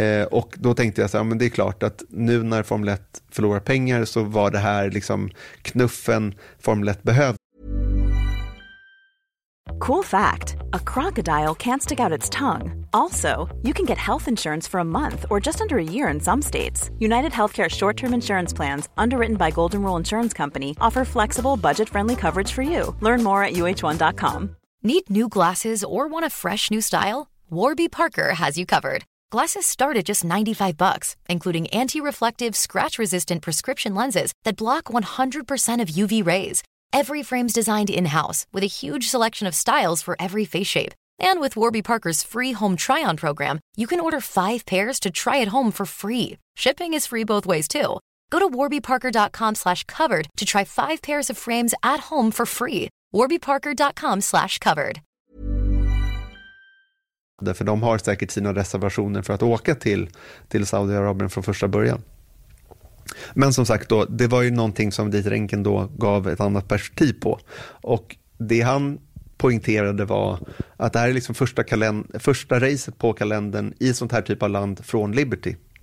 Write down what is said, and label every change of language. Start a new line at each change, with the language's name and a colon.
Swedish: Och då tänkte jag så här, men det är klart att nu när Formel 1 förlorar pengar så var det här liksom knuffen Formel 1 behövde.
English: Cool fact, a crocodile can't stick out its tongue. Also, you can get health insurance for a month or just under a year in some states. United Healthcare short-term insurance plans, underwritten by Golden Rule Insurance Company, offer flexible, budget-friendly coverage for you. Learn more at uh1.com. Need new glasses or want a fresh new style? Warby Parker has you covered. Glasses start at just $95, including anti-reflective, scratch-resistant prescription lenses that block 100% of UV rays. Every frame's designed in-house with a huge selection of styles for every face shape. And with Warby Parker's free home try-on program, you can order 5 pairs to try at home for free. Shipping is free both ways too. Go to warbyparker.com/covered to try 5 pairs of frames at home for free. warbyparker.com/covered.
Swedish: Därför de har säkert sina reservationer för att åka till Saudiarabien från första början. Men som sagt då, det var ju någonting som Dieter Enkel då gav ett annat perspektiv på. Och det han poängterade var att det här är liksom första racet på kalendern i sånt här typ av land från Liberty.